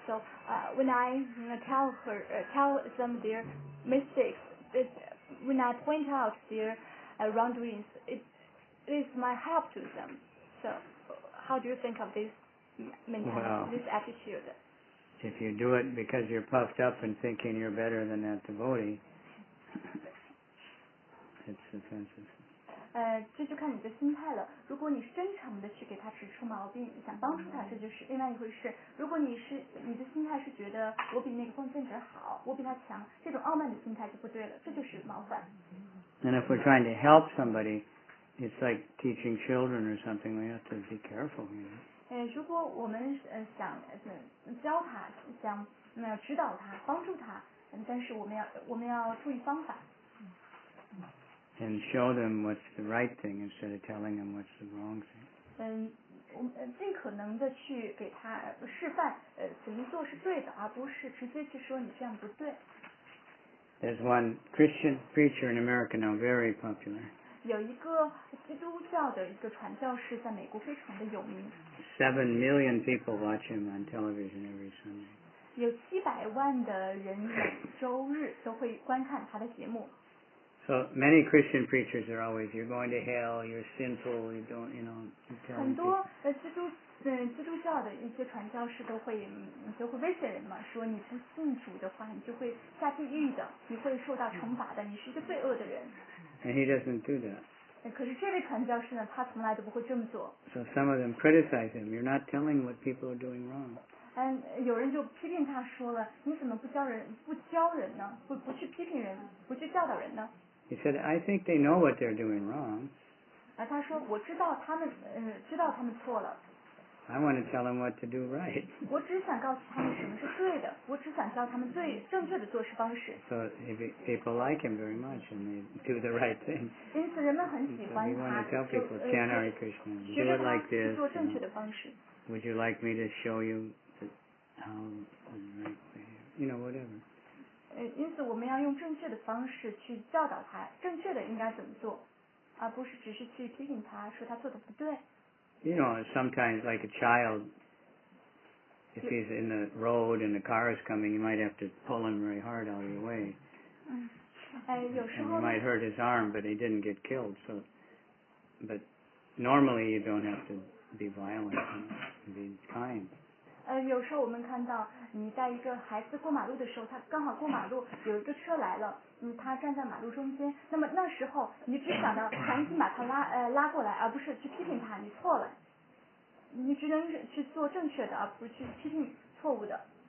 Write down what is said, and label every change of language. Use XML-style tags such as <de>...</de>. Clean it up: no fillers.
<en>So when I tell them their mistakes, when I point out their wrongdoings, it is my help to them. So how do you think of this mentality, this attitude? If you do it because you're puffed up and thinking you're better than that devotee, it's offensive.</en> <zh>这就看你的心态了。如果你真诚的去给他指出毛病，想帮助他，这就是另外一回事。如果你的心态是觉得我比那个奉献者好，我比他强，这种傲慢的心态就不对了，这就是冒犯。</zh> <en>And if we're trying to help somebody, it's like teaching children or something. We have to be careful, you know.</en> <zh>如果我们想教他，想指导他，帮助他，但是我们要注意方法。</zh> <en>And show them what's the right thing instead of telling them what's the wrong thing.</en> <zh>尽可能的去给他示范，怎么做是对的，而不是直接去说你这样不对。</zh> <en>There's one Christian preacher in America now, very popular.</en> <zh>有一个基督教的一个传教士在美国非常的有名。</zh> <en>7 million people watch him on television every Sunday.</en> <zh>有七百万的人周日都会观看他的节目。</zh> <en>So many Christian preachers are always, you're going to hell, you're sinful, you don't, you know, you're telling people.</en> <zh>很多基督教的一些传教士都会威胁人嘛，说你不信主的话，你就会下地狱的，你会受到惩罚的，你是一个罪恶的人。</zh> <en>And he doesn't do that.</en> <zh>可是这位传教士呢，他从来都不会这么做。</zh> <en>So some of them criticize him, you're not telling what people are doing wrong.</en> <zh>有人就批评他说了，你怎么不教人呢？不去批评人，不去教导人呢？</zh> <en>He said, I think they know what they're doing wrong.</en> <zh>他说我知道他们知道他们错了。</zh> <en>I want to tell them what to do right.</en> <zh>我只想告诉他们什么是对的，我只想教他们最正确的做事方式。</zh> <en>So people like him very much and they do the right thing.</en> <zh>因此人们很喜欢他。</zh> <en>So we want to tell people, chant Hare Krishna, do it like this.</en> <zh>学着他去做正确的方式。</zh> <en>Would you like me to show you how the right way, you know, whatever.</en> <zh>因此我们要用正确的方式去教导他正确的应该怎么做，而不是只是去提醒他说他做的不对。</zh> <en>You know, sometimes like a child, if he's in the road and the car is coming, you might have to pull him very hard out of the way.</en> <zh>有时候</zh> <en>and he might hurt his arm, but he didn't get killed. So, but normally you don't have to be violent, be kind.</en> <zh>有时候我们看到你带一个孩子过马路的时候，他刚好过马路，有一个车来了，他站在马路中间，那么那时候你只想到赶紧把他拉过来，而不是去批评他，你错了，你只能去做正确的，而不是去批评错误的。</zh>